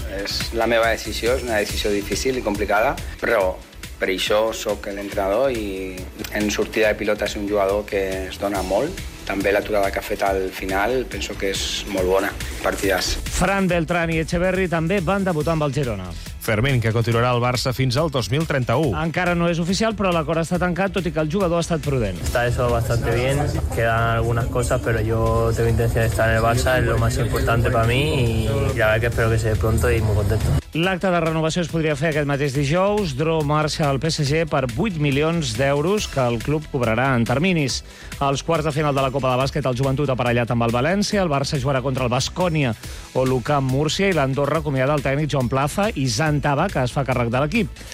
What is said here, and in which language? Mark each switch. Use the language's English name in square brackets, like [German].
[Catalan] És la meva decisió, és una decisió difícil i complicada, però per això sóc l'entrenador i en sortida de pilota és un jugador que es dona molt. També l'aturada que ha fet al final, penso que és molt bona. Partides. Fran Beltrán i Echeverri també van debutar amb el Girona. Fermín, que continuarà al Barça fins al 2031. Encara no és oficial, però l'acord està tancat, tot i que el jugador ha estat prudent. [Spanish] Está eso bastante bien, quedan algunas cosas, pero yo tengo intención de estar en el Barça, es lo más importante para mí, y ya ver que espero que se dé pronto y muy contento. [Catalan] L'acte de renovació es podria fer aquest mateix dijous. Dro marxa al PSG per 8 milions d'euros que el club cobrarà en terminis. Als quarts de final de la Copa de Bàsquet, el Joventut aparellat amb el València, el Barça jugarà contra el Baskonia o l'UCAM Múrcia i l'Andorra acomiada el tècnic Joan Plaza i Zantava, que es fa càrrec de l'equip.